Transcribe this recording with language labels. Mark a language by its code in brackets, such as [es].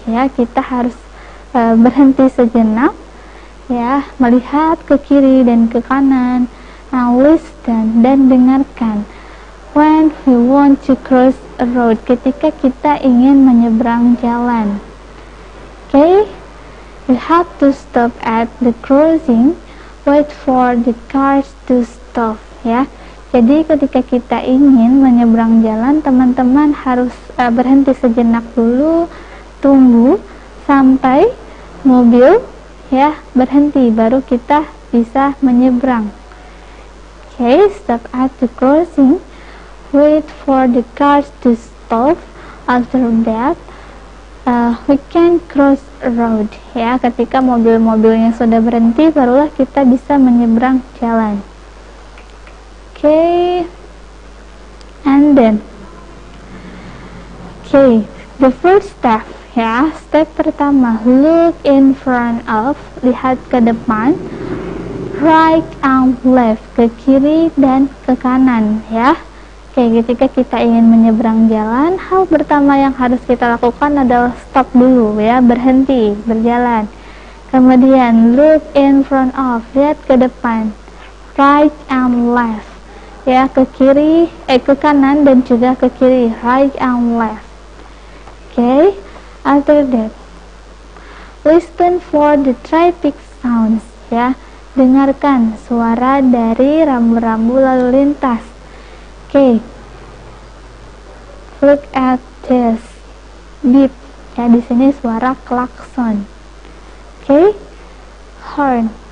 [id] Ya, kita harus berhenti sejenak. Ya, melihat ke kiri dan ke kanan. [en] And listen [id] dan dengarkan. [en] When we want to cross a road, [id] ketika kita ingin menyeberang jalan. [en] Okay, we have to stop at the crossing. Wait for the cars to stop. Ya. [id] Jadi ketika kita ingin menyeberang jalan, teman-teman harus berhenti sejenak dulu, tunggu sampai mobil ya berhenti, baru kita bisa menyeberang. [en] Okay, stop at the crossing, wait for the cars to stop. After that, we can cross road. [id] Ya, ketika mobil-mobilnya sudah berhenti, barulah kita bisa menyeberang jalan. [en] Okay, and then, okay, the first step, ya, [id] step pertama, [en] look in front of, [id] lihat ke depan, [en] right and left, [id] ke kiri dan ke kanan, [en] ya. [id] Okay, ketika kita ingin menyeberang jalan, hal pertama yang harus kita lakukan adalah stop dulu, ya, berhenti, berjalan. Kemudian, [en] look in front of, [id] lihat ke depan, [en] right and left. [id] Ya, ke kiri, ke kanan dan juga ke kiri, [en] right and left. Okay, after that, listen for the traffic sounds. [id] Ya, dengarkan suara dari rambu-rambu lalu lintas. [en] Okay, look at this beep. [id] Ya, di sini suara klakson. Okay, horn.